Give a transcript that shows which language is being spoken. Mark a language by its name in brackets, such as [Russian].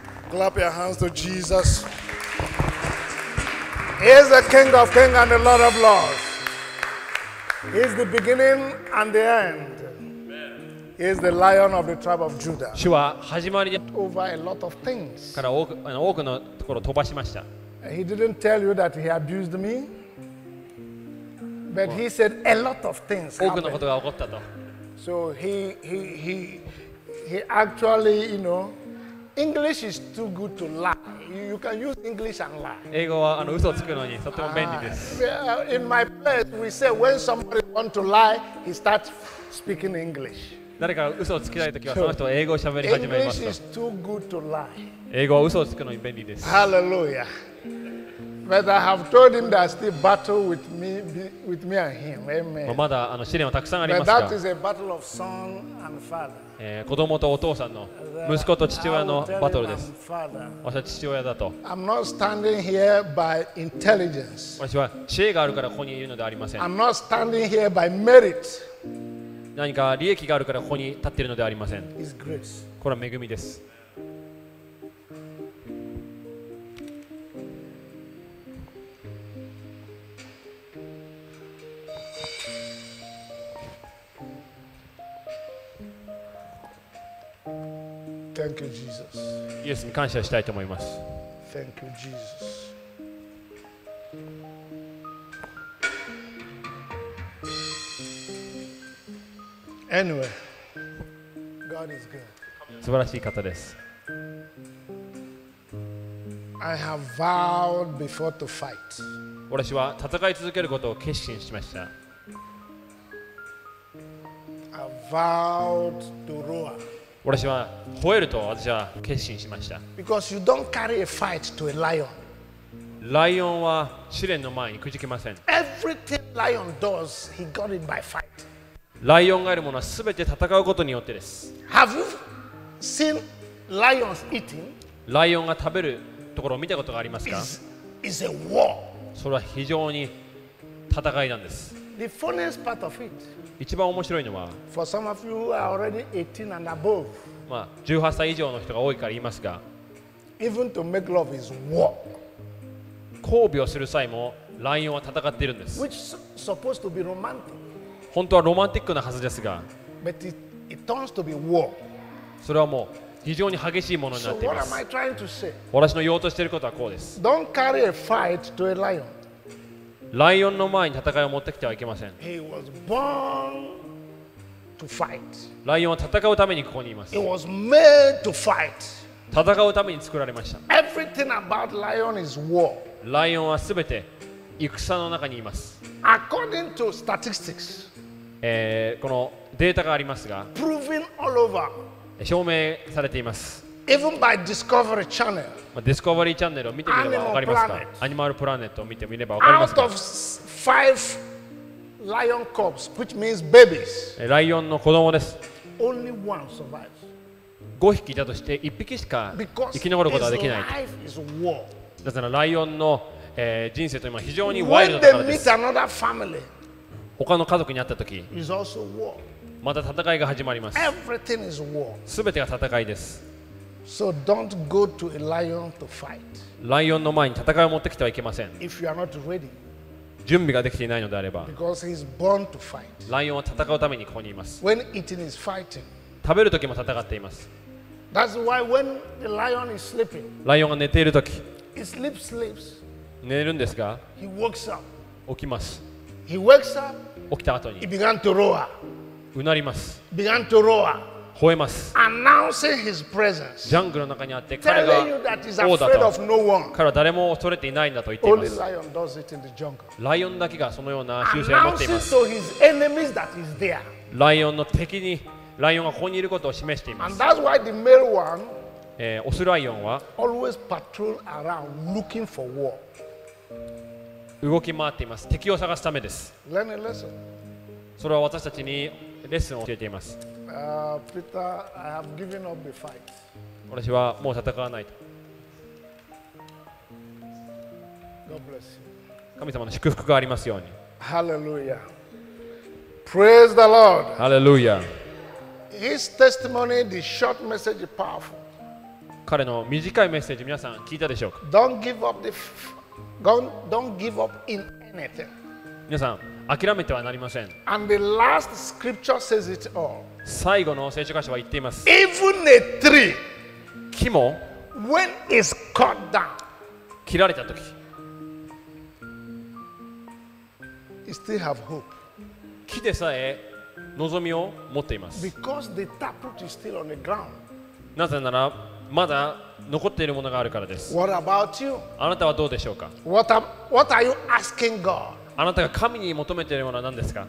[English] Clap your hands to Jesus. He is the King of Kings and the Lord of Lords. He is the beginning and the end. He is the Lion of the tribe of Judah. [Japanese] 主は始まりで、 [English] over a lot of things. [Japanese] から多くのところを飛ばしました。 [English] He didn't tell you that he abused me. But he said a lot of things happened. [Japanese] 多くのことが起こったと。 [English] So he actually, you know, English is too good to lie. You can use English and lie. [Japanese] 英語は嘘をつくのにとても便利です。 [English] In my place, we say when somebody want to lie, he starts speaking English. [Japanese] 誰か嘘をつきたいときはその人は英語を喋り始めますと。 [English] English is too good to lie. [Japanese] 英語は嘘をつくのに便利です。 [English] Hallelujah. But I have told him that still battle with me, with me and him. Amen. [Japanese] まだ試練はたくさんありますが。 [English] But that is a battle of son and father. [Japanese] 子供とお父さんの、息子と父親のバトルです。 [English] I will tell him I'm father. [Japanese] 私は父親だと。 [English] I'm not standing here by intelligence. [Japanese] 私は知恵があるからここにいるのではありません。 [English] I'm not standing here by merit. [Japanese] 何か利益があるからここに立っているのではありません。 [English] It's grace. [Japanese] これは恵みです。 [English] Thank you, Jesus. [Japanese] イエスに感謝したいと思います。 [English] Thank you, Jesus. Anyway, God is good. [Japanese] 素晴らしい方です。 [English] I have vowed before to fight. [Japanese] 私は戦い続けることを決心しました。 [English] I vowed to roar. [Japanese] 私は吠えると私は決心しました。 [English] Because you don't carry a fight to a lion. [Japanese] ライオンは試練の前にくじけません。 [English] Everything lion does, he got it by fight. [Japanese] ライオンがいるものはすべて戦うことによってです。 [English] Have you seen lions eating? [Japanese] ライオンが食べるところを見たことがありますか [English] ？It's a war. [Japanese] それは非常に戦いなんです。 [English] The funniest part of it. [Japanese] 一番面白いのは、 [English] For some of you are already 18 and above. [Japanese] まあ18歳以上の人が多いから言いますが、 [English] Even to make love is war. [Japanese] 交尾をする際もライオンは戦っているんです。 [English] Which is supposed to be romantic. [Japanese] 本当はロマンティックなはずですが、 [English] But it turns to be war. [Japanese] それはもう非常に激しいものになっています。 [English] So what am I trying to say? [Japanese] 私の言おうとしていることはこうです。 [English] Don't carry a fight to a lion. [Japanese] ライオンの前に戦いを持ってきてはいけません。 [English] He was born to fight. [Japanese] ライオンは戦うためにここにいます。 [English] He was made to fight. [Japanese] 戦うために作られました。 [English] Everything about lion is war. [Japanese] ライオンはすべて戦の中にいます。 [English] According to statistics, [Japanese] このデータがありますが、 [English] proven all over. [Japanese] 証明されています。 [English] Even by Discovery Channel, [Japanese] Discovery Channel を見てみればわかりますか。アニマルプラネットを見てみればわかりますか。 [English] Out of five lion cubs, which means babies, [Japanese] ライオンの子供です。 [English] Only one survives. [Japanese] 五匹だとして一匹しか生き残ることはできない。 [English] Because his life is war. [Japanese] なぜならライオンの、人生というのは非常にワイルドだからです。 [English] When they meet another family, [Japanese] 他の家族に会ったとき、 [English] is also war. [Japanese] また戦いが始まります。 [English] Everything is war. [Japanese] すべてが戦いです。 [English] So don't go to a lion to fight. [Japanese] ライオンの前に戦いを持ってきてはいけません。 [English] If you are not ready, [Japanese] 準備ができていないのであれば、 [English] because he's born to fight. [Japanese] ライオンは戦うためにここにいます。 [English] When eating is fighting, [Japanese] 食べる時も戦っています。 [English] That's why when the lion is sleeping, [Japanese] ライオンが寝ている時、 [English] he sleeps. [Japanese] 寝るんですが、 [English] he wakes up. [Japanese] 起きます。 [English] He wakes up. [Japanese] 起きた後に、 [English] he began to roar. [Japanese] うなります。 [English] Began to roar. [Japanese] 吠えます。 [English] Announcing his presence. [Japanese] ジャングルの中にあって彼が王だと。彼は誰も恐れていないんだと言っています。 [English] Only lion does it in the jungle. [Japanese] ライオンだけがそのような習性を持っています。 [English] Announcing to his enemies that he's there. [Japanese] ライオンの敵にライオンがここにいることを示しています。 [English] And that's why the male one, [Japanese] オスライオンは [English] always patrol around looking for war. [Japanese] 動き回っています。敵を探すためです。 [English] Learn a lesson. [Japanese] それは私たちにレッスンを教えています。 [English] Peter, I have given up the fight. [Japanese] 私はもう戦わないと。 [English] God bless you. [Japanese] 神様の祝福がありますように。 [English] Hallelujah. Praise the Lord. Hallelujah. His testimony, the short message, powerful. [Japanese] 彼の短いメッセージ、皆さん聞いたでしょうか。 [English] Don't give up don't give up in anything. [Japanese] 皆さん諦めてはなりません。 [English] And the last scripture says it all. [Japanese] 最後の聖書箇所は言っています。 [English] Even a tree, [Japanese] 木も、 [English] when is cut down, [Japanese] 切られたとき、 [English] it still have hope. [Japanese] 木でさえ望みを持っています。 [English] Because the taproot is still on the ground. [Japanese] なぜならまだ残っているものがあるからです。 [English] What about you? [Japanese] あなたはどうでしょうか。 [English] What are you asking God? [Japanese] あなたが神に求めているものは何ですか。